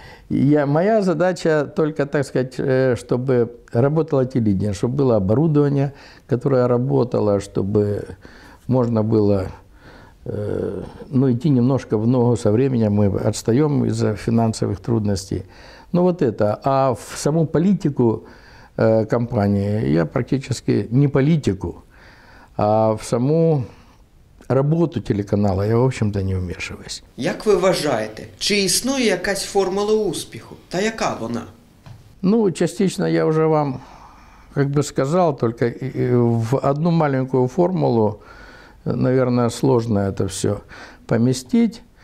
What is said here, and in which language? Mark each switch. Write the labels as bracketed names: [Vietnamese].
[Russian] Моя задача только, чтобы работало телевидение, чтобы было оборудование, которое работало, чтобы можно было идти немножко в ногу со временем. Мы отстаем из-за финансовых трудностей. А в саму политику компании я практически не политику, а в саму работу телеканала я, в общем-то, не вмешиваюсь. [Ukrainian] Як ви вважаєте, чи існує якась формула успіху? Та яка вона? [Russian] Частично [Ukrainian] я вже вам сказав, тільки в одну маленьку формулу, [Russian] наверное, сложно это все поместить.